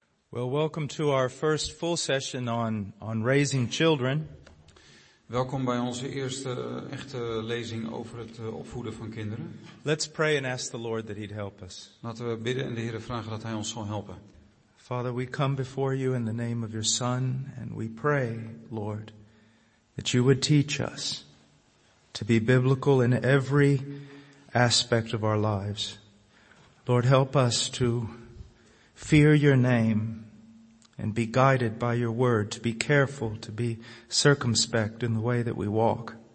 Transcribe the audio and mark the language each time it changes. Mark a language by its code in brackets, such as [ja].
[en] Well, welcome to our first full session on raising children. [nl] Welkom bij onze eerste echte lezing over het opvoeden van kinderen. [en] Let's pray and ask the Lord that he'd help us. [nl] Laten we bidden en de Heer vragen dat hij ons zal helpen. [en] Father, we come before you in the name of your Son, and we pray, Lord, that you would teach us to be biblical in every aspect of our lives. Lord, help us to fear your name and be guided by your word, to be careful, to be circumspect in the way that we walk.